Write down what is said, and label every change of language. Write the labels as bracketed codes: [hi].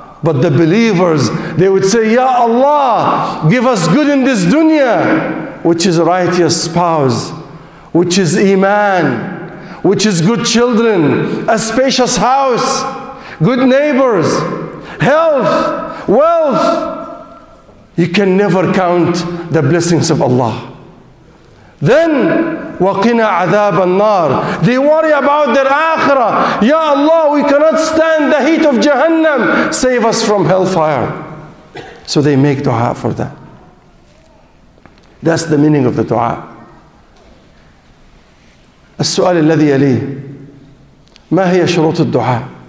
[en] But the believers, they would say, Ya Allah, give us good in this dunya, which is a righteous spouse, which is iman, which is good children, a spacious house, good neighbors, health, wealth. You can never count the blessings of Allah. [ar] Then, وَقِنَا عَذَابَ النَّارِ. [en] They worry about their akhirah. Ya Allah, we cannot stand the heat of Jahannam. Save us from hellfire. So they make dua for that. That's the meaning of the dua. [ar] السؤال الذي يليه. ما هي شروط الدعاء?